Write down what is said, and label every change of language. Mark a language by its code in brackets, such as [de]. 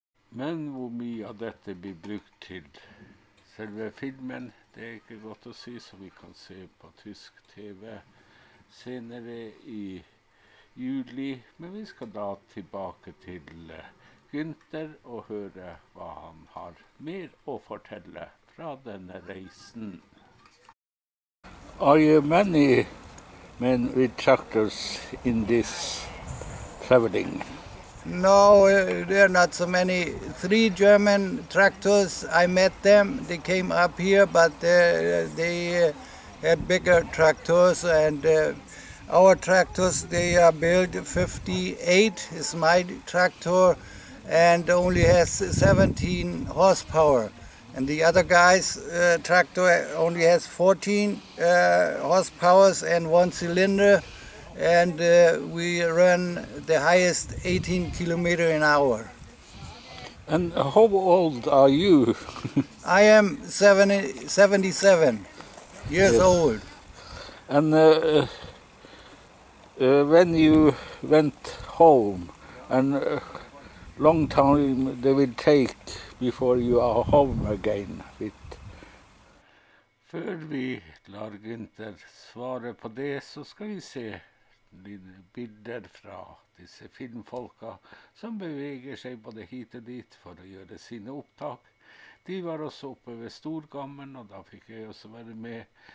[no] Men hvor mye av dette blir brukt til selve filmen, det ikke godt å si, så vi kan se på tysk TV senere i juli. Men vi skal da tilbake til Gunther og høre hva han har mer å fortelle fra denne reisen. [en] Are you many men with tractors in this traveling? No, there are not so many. Three German tractors, I met them. They came up here, but they had bigger tractors. And our tractors, they are built 58, is my tractor, and only has 17 horsepower. And the other guy's tractor only has 14 horsepower and one cylinder, And we ran the highest 18 kilometers an hour. And how old are you? I am 77 years old. And when you went home, and long time they will take before you are home again? [no] Før vi lar Gunther svare på det, så skal vi se dine bilder fra disse filmfolka som beveger seg både hit og dit for å gjøre sine opptak. De var også oppe ved Storgammen, og da fikk jeg også være med.